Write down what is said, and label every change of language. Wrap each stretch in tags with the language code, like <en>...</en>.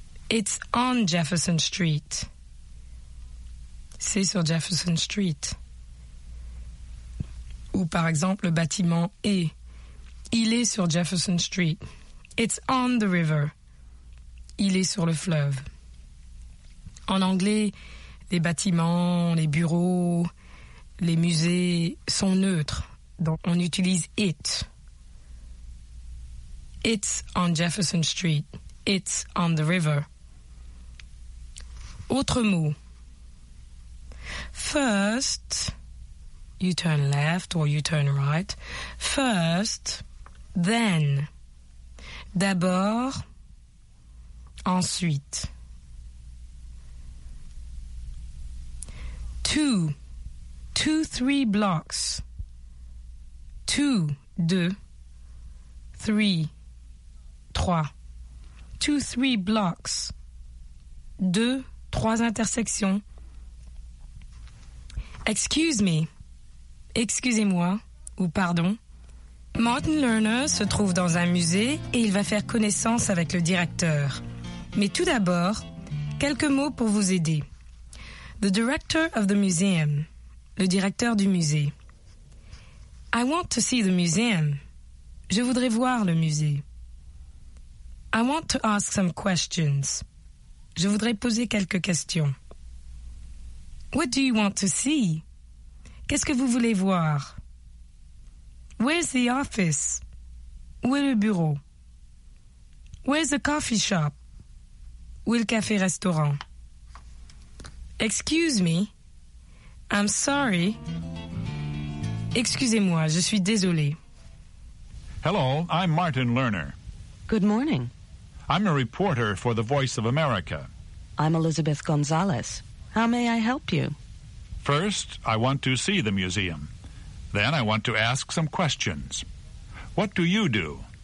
<en>It's on Jefferson Street.</en> <fr>C'est sur Jefferson Street. Ou par exemple, le bâtiment est. Il est sur Jefferson Street.</fr> <en>It's on the river.</en> <fr>Il est sur le fleuve. En anglais, les bâtiments, les bureaux, les musées sont neutres. Donc on utilise it.</fr> <en>It's on Jefferson Street. It's on the river.</en> <fr>Autre mot.</fr> <en>First, you turn left or you turn right. First, then.</en> <fr>D'abord, ensuite.</fr> <en>Two, three blocks. Two, deux. Three, trois. Two, three blocks.</en> <fr>Deux, trois intersections.</fr> <en>Excuse me.</en> <fr>Excusez-moi. Ou pardon. Martin Lerner se trouve dans un musée et il va faire connaissance avec le directeur. Mais tout d'abord, quelques mots pour vous aider.</fr> <en>The director of the museum.</en> <fr>Le directeur du musée.</fr> <en>I want to see the museum.</en> <fr>Je voudrais voir le musée.</fr> <en>I want to ask some questions.</en> <fr>Je voudrais poser quelques questions.</fr> <en>What do you want to see?</en> <fr>Qu'est-ce que vous voulez voir?</fr> <en>Where's the office?</en> <fr>Où est le bureau?</fr> <en>Where's the coffee shop?</en> <fr>Où est le café-restaurant?</fr> <en>Excuse me. I'm sorry.</en> <fr>Excusez-moi, je suis désolée.</fr> <en>Hello, I'm Martin Lerner. Good morning. I'm a reporter for The Voice of America. I'm Elizabeth Gonzalez. How may I help you? First, I want to see the museum. Then I want to ask some questions. What do you do?</en>